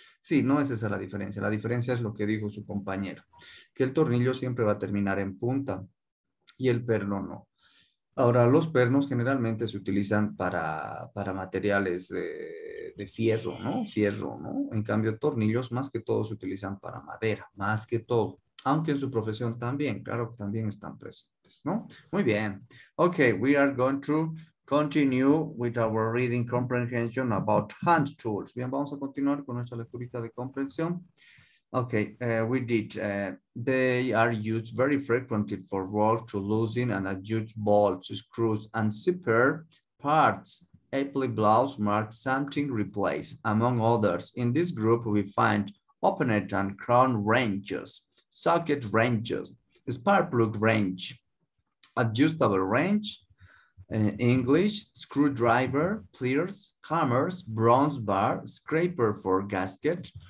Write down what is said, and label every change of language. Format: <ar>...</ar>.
<es>Sí, no es esa la diferencia. La diferencia es lo que dijo su compañero, que el tornillo siempre va a terminar en punta. y el perno no. Ahora, los pernos generalmente se utilizan para materiales de fierro, ¿no? Fierro, ¿no? En cambio, tornillos más que todo se utilizan para madera, más que todo. Aunque en su profesión también, claro, también están presentes, ¿no? Muy bien.</es> <en>Ok, we are going to continue with our reading comprehension about hand tools.</en> <es>Bien, vamos a continuar con nuestra lecturita de comprensión.</es> <en>Ok, we did. They are used very frequently for work to loosen and adjust bolts, screws, and zipper parts. Apply gloves mark something replace, among others. In this group, we find opened and crown wrenches, socket wrenches, spark plug wrench, adjustable wrench, English, screwdriver, pliers, hammers, bronze bar, scraper for gasket.</en>